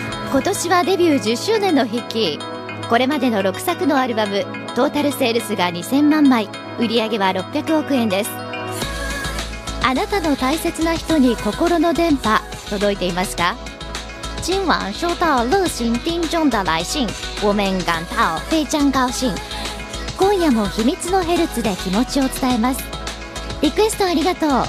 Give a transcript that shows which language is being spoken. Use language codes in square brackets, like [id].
[ja] 今年はデビュー10周年の引き、これまでの6作のアルバム、トータルセールスが2000万枚、売り上げは600億円です。あなたの大切な人に心の電波届いていますか。 [zh] 今晚收到熱心听众的来信、我们感到非常高兴。 [ja] 今夜も秘密のヘルツで気持ちを伝えます。リクエストありがとう。